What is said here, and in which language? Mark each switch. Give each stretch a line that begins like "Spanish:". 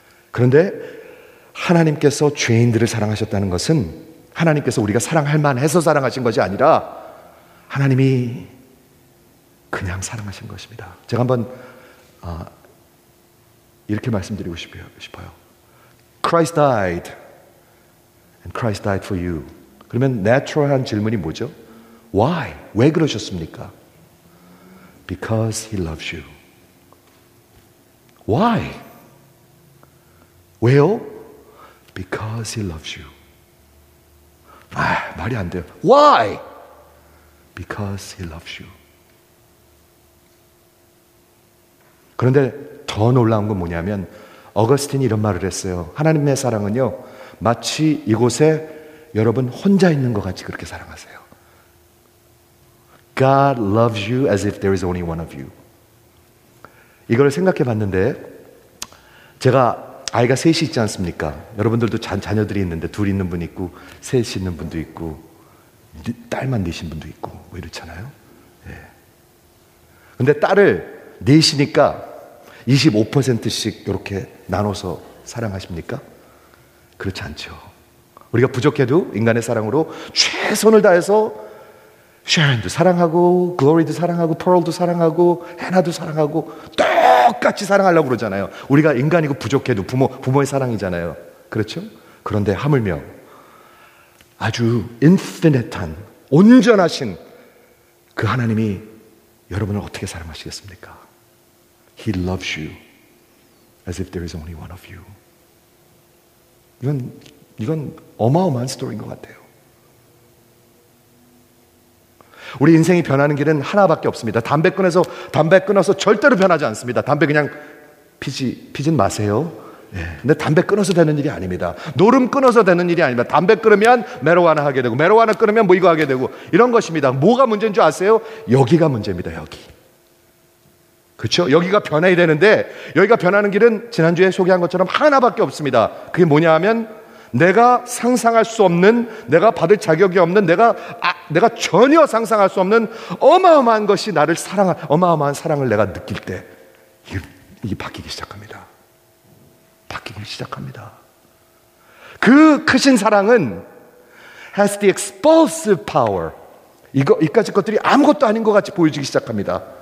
Korean: 그런데 하나님께서 죄인들을 사랑하셨다는 것은 하나님께서 우리가 사랑할 만해서 사랑하신 것이 아니라 하나님이 그냥 사랑하신 것입니다. 제가 한번 이렇게 말씀드리고 싶어요.
English: Christ died and Christ died for you.
Korean: 그러면 natural한 질문이 뭐죠?
English: Why?
Korean: 왜 그러셨습니까?
English: Because he loves you. Why?
Korean: 왜요?
English: Because he loves you.
Korean: 아, 말이 안 돼요.
English: Why? Because he loves you.
Korean: 그런데 더 놀라운 건 뭐냐면 어거스틴이 이런 말을 했어요. 하나님의 사랑은요. 마치 이곳에 여러분 혼자 있는 것 같이 그렇게 사랑하세요.
English: God loves you as if there is only one of you.
Korean: 이걸 생각해 봤는데 제가 아이가 셋이 있지 않습니까? 여러분들도 자녀들이 있는데 둘 있는 분 있고 셋 있는 분도 있고 딸만 넷인 분도 있고 뭐 이렇잖아요. 예. 근데 딸을 넷이니까 25%씩 이렇게 나눠서 사랑하십니까? 그렇지 않죠. 우리가 부족해도 인간의 사랑으로 최선을 다해서 샤론도 사랑하고 글로리도 사랑하고 펄도 사랑하고 해나도 사랑하고 똑같이 사랑하려고 그러잖아요. 우리가 인간이고 부족해도 부모의 사랑이잖아요. 그렇죠? 그런데 하물며 아주 인피니트한 온전하신 그 하나님이 여러분을 어떻게 사랑하시겠습니까?
English: He loves you as if there is only one of you.
Korean: 이건 어마어마한 스토리인 것 같아요. 우리 인생이 변하는 길은 하나밖에 없습니다. 담배 끊어서 절대로 변하지 않습니다. 담배 그냥 피진 마세요. 예. 근데 담배 끊어서 되는 일이 아닙니다. 노름 끊어서 되는 일이 아닙니다. 담배 끊으면 메로와나 하게 되고 메로와나 끊으면 뭐 이거 하게 되고 이런 것입니다. 뭐가 문제인 줄 아세요? 여기가 문제입니다. 여기. 그렇죠? 여기가 변해야 되는데 여기가 변하는 길은 지난주에 소개한 것처럼 하나밖에 없습니다. 그게 뭐냐 하면 내가 상상할 수 없는, 내가 받을 자격이 없는, 내가 전혀 상상할 수 없는 어마어마한 것이 나를 사랑한, 어마어마한 사랑을 내가 느낄 때, 이게 바뀌기 시작합니다. 바뀌기 시작합니다. 그 크신 사랑은
English: has the expulsive power.
Korean: 이까지 것들이 아무것도 아닌 것 같이 보여지기 시작합니다.